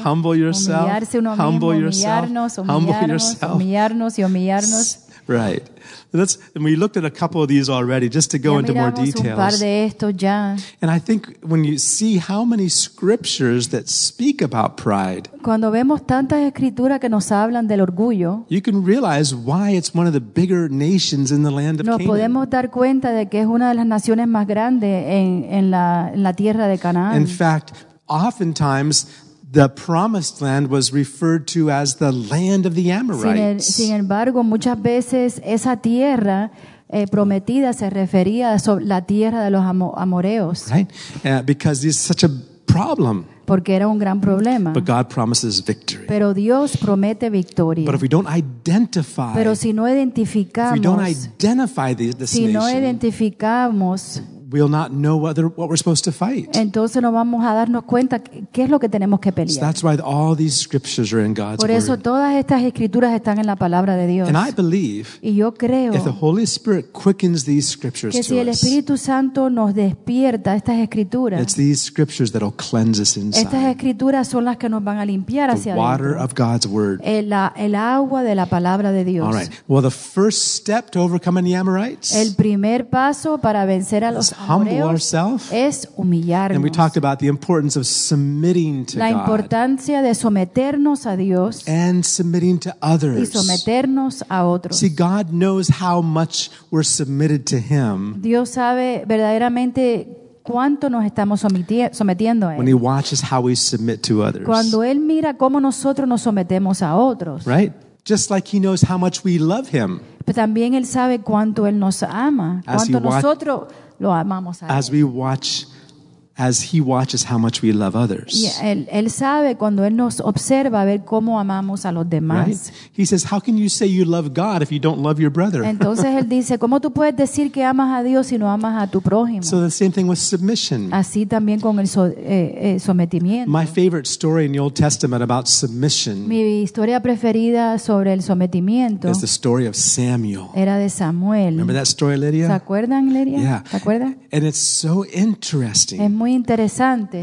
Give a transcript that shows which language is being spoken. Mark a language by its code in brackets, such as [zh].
[en] Humble yourself. [es] Humillarse uno mismo. [en] Humble yourself. Humble yourself. [es] Humillarnos y humillarnos. [en] Right. And we looked at a couple of these already, just to go into more details. [es] Un par de estos ya. [en] And I think when you see how many scriptures that speak about pride, [es] cuando vemos tantas escrituras que nos hablan del orgullo, [en] you can realize why it's one of the bigger nations in the land of [es] nos [en] Canaan. [es] Podemos dar cuenta de que es una de las naciones más grandes en la tierra de Canaán. [en] In fact, oftentimes the promised land was referred to as the land of the Amorites. [es] Sin embargo, muchas veces esa tierra prometida se refería a la tierra de los amoreos. [en] Right? Because it's such a problem. [es] Porque era un gran problema. [en] But God promises victory. [es] Pero Dios promete victoria. [en] But if we don't identify, [es] pero si no identificamos, [en] if we don't identify this nation, [es] si no identificamos, [en] we'll not know what we're supposed to fight. [es] Entonces no vamos a darnos cuenta qué es lo que tenemos que pelear. [en] So that's why all these scriptures are in God's [es] word. Por eso [en] word. [es] Todas estas escrituras están en la palabra de Dios. [en] And I believe, [es] y yo creo, [en] if the Holy Spirit quickens these scriptures [es] que si [en] to [es] el Espíritu Santo nos despierta estas escrituras, [en] it's these scriptures that'll cleanse us inside. [es] Estas escrituras son las que nos van a limpiar [en] the [es] hacia adentro. [en] The water of God's word. [es] El agua de la palabra de Dios. [en] All right. Well, the first step to overcoming the Amorites. [es] El primer paso para vencer a los [en] humble ourselves. And we talked about the importance of submitting to God. [es] La importancia de someternos a Dios. [en] And submitting to others. [es] Y someternos a otros. [en] See, God knows how much we're submitted to Him. [es] Dios sabe verdaderamente cuánto nos estamos sometiendo a Él. [en] When He watches how we submit to others. [es] Cuando Él mira cómo nosotros nos sometemos a otros. [en] Right? Just like He knows how much we love Him. [es] pero también él sabe cuánto él nos ama, cuánto nosotros lo amamos a él. [en] As we watch, as he watches how much we love others. [es] Yeah, él sabe cuando él nos observa a ver cómo amamos a los demás. [en] Right? He says, "How can you say you love God if you don't love your brother?" [es] Entonces él dice, ¿cómo tú puedes decir que amas a Dios si no amas a tu prójimo? [en] So the same thing with submission. [es] Así también con el sometimiento. [en] My favorite story in the Old Testament about submission. [es] Mi historia preferida sobre el sometimiento. [en] Is the story of Samuel. [es] Era de Samuel. [en] Remember that story, Lydia? [es] ¿Se acuerdan, Lydia? [en] Yeah. [es] ¿Se acuerdan? [en] And it's so interesting. [es] Muy interesante.